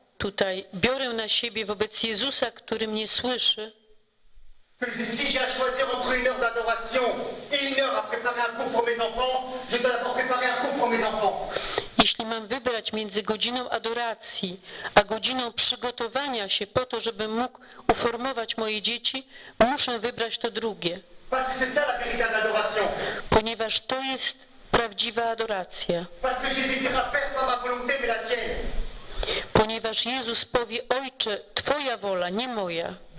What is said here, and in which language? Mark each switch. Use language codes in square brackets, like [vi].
[pl] tutaj biorę na siebie wobec Jezusa, który mnie słyszy, [fr] que si j'ai à choisir entre une heure d'adoration et une heure à préparer un cours pour mes enfants, je dois d'abord préparer un cours pour mes enfants. [pl] Jeśli mam wybrać między godziną adoracji a godziną przygotowania się po to, żebym mógł uformować moje dzieci, muszę wybrać to drugie. [fr] Parce que c'est ça la véritable adoration. [pl] Ponieważ to jest prawdziwa adoracja. [fr] Parce que Jésus dira, Père, pas ma volonté, mais la tienne. [pl] Ponieważ Jezus powie, Ojcze, Twoja wola, nie moja.